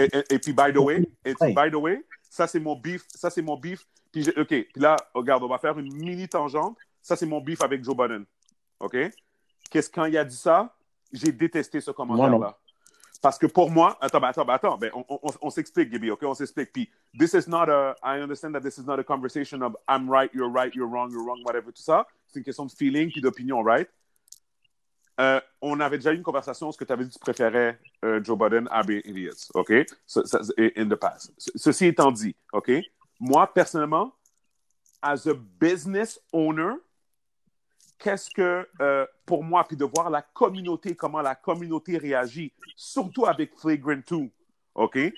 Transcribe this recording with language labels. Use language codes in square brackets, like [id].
[fr] Et puis, [en] by the way, [fr] ça, c'est mon beef. Puis là, regarde, on va faire une mini-tangente. Ça, c'est mon beef avec Joe Budden. OK? Quand il a dit ça, j'ai détesté ce commentaire-là. Parce que pour moi, attends, ben on s'explique, Gibby, OK? On s'explique. [en] Puis, this is not a, I understand that this is not a conversation of I'm right, you're wrong, whatever, [fr] tout ça. C'est une question de feeling puis d'opinion, right? On avait déjà eu une conversation où tu avais dit que tu préférais Joe Budden à Brilliant Idiots, OK? [en] In the past. [fr] Ceci étant dit, OK? Moi, personnellement, [en] as a business owner, [fr] qu'est-ce que, pour moi, puis de voir la communauté, comment la communauté réagit, surtout avec Flagrant 2, OK?